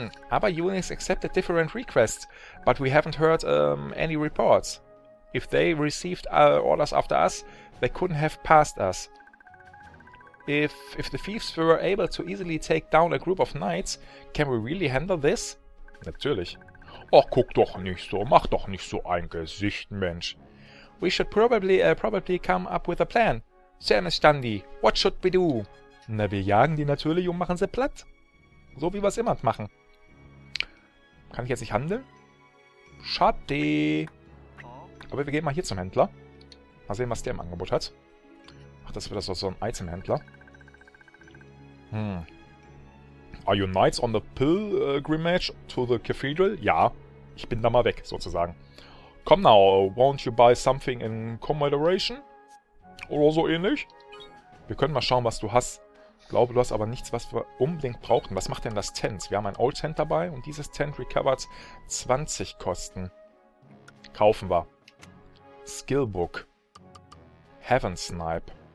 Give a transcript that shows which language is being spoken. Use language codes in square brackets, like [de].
[en] Other units accepted different requests, but we haven't heard any reports. If they received orders after us, they couldn't have passed us. If the thieves were able to easily take down a group of knights, can we really handle this? [de] Natürlich. Ach, guck doch nicht so, mach doch nicht so ein Gesicht, Mensch. [en] We should probably come up with a plan. Sir Mestandi, what should we do? [de] Na, wir jagen die natürlich und machen sie platt. So wie wir es immer machen. Kann ich jetzt nicht handeln? Schade. Aber wir gehen mal hier zum Händler. Mal sehen, was der im Angebot hat. Ach, das wird das so ein Itemhändler. [en] Are you knights on the pilgrimage to the cathedral? [de] Ja, ich bin da mal weg, sozusagen. [en] Come now, won't you buy something in commemoration? [de] Oder so ähnlich? Wir können mal schauen, was du hast. Ich glaube, du hast aber nichts, was wir unbedingt brauchen. Was macht denn das Tent? Wir haben ein Old Tent dabei und dieses Tent recovered 20 Kosten. Kaufen wir. Skillbook. Heaven Snipe.